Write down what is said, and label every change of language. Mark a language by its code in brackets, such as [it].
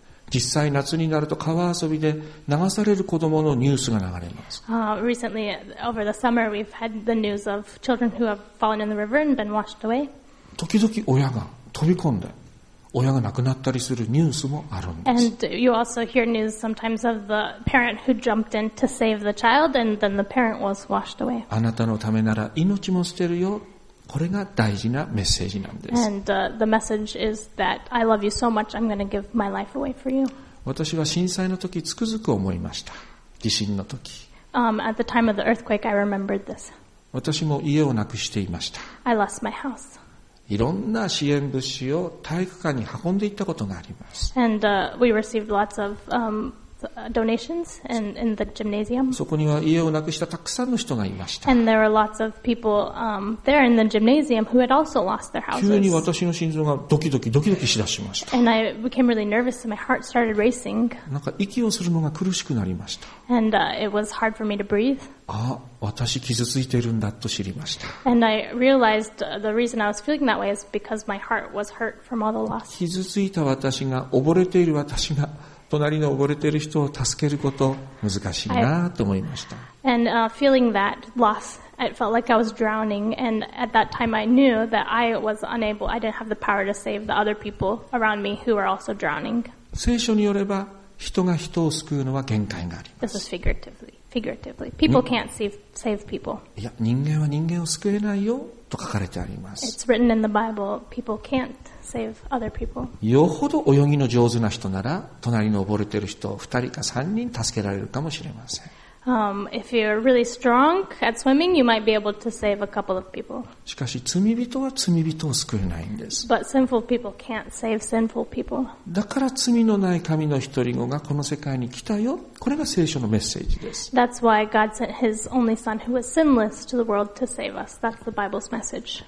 [ja] 実際夏になると川遊びで流される子どものニュースが流れます。 [en] Recently, over the summer, we've had the news of children who have fallen in the river and been washed away. [ja] 時々親が飛び込んで、親が亡くなったりするニュースもあるんです。 [en] And you also hear news sometimes of the parent who jumped in to save the child and then the parent was washed away. [ja] あなたのためなら命も捨てるよ。これが大事なメッセージなんです。 [en] And the message is that I love you so much, I'm going to give my life away for you. [ja] 私は震災の時つくづく思いました。地震の時。 [en] At the time of the earthquake, I remembered this. [ja] 私も家をなくしていました。 [en] I lost my house. [ja] いろんな支援物資を体育館に運んでいったことがあります。 [en] And we received lots of donations in the gymnasium. [ja] そこには家をなくしたたくさんの人がいました。 [en] And there were lots of people there in the gymnasium who had also lost their houses. [ja] 急に私の心臓がドキドキしだしました。 [en] And I became really nervous and my heart started racing. [ja] なんか息をするのが苦しくなりました。 [en] And it was hard for me to breathe. [ja] あ、私傷ついてるんだと知りました。 [en] And I realized the reason I was feeling that way is because my heart was hurt from all the loss. [ja] 傷ついた私が溺れている私が隣の溺れている人を助けること難しいなと思いました。 [en] And feeling that loss, I felt like I was drowning, and at that time I knew that I was unable, I didn't have the power to save the other people around me who were also drowning. [ja] 聖書によれば、人が人を救うのは限界があります。 [en] This is figuratively. People can't save people. [ja] いや、人間は人間を救えないよと書かれてあります。 [en] It's written in the Bible, people can't. Save other people. [ja] よほど泳ぎの上手な人なら隣の溺れてる人を2人か3人助けられるかもしれません、 [en] If you're really strong at swimming, you might be able to save a couple of people. [ja] しかし罪人は罪人を救えないんです。 [en] But sinful people can't save sinful people. [ja] だから罪のない神の一人子がこの世界に来たよ。これが聖書のメッセージです。 [en] That's why God sent His only Son who was sinless to the world to save us. That's the Bible's message.